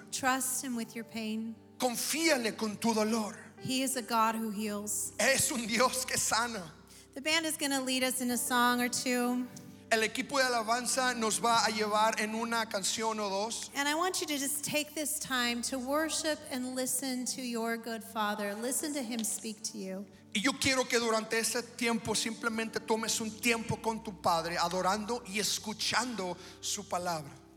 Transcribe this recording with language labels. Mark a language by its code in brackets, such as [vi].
[en] Trust him with your pain. [es] Confíale con tu dolor. [en] He is a God who heals. [es] Es un Dios que sana. [en] The band is going to lead us in a song or two. [es] El equipo de alabanza nos va a llevar en una canción o dos. [en] And I want you to just take this time to worship and listen to your good Father. Listen to him speak to you. [es] Y yo quiero que durante ese tiempo simplemente tomes un tiempo con tu Padre, adorando y escuchando su palabra.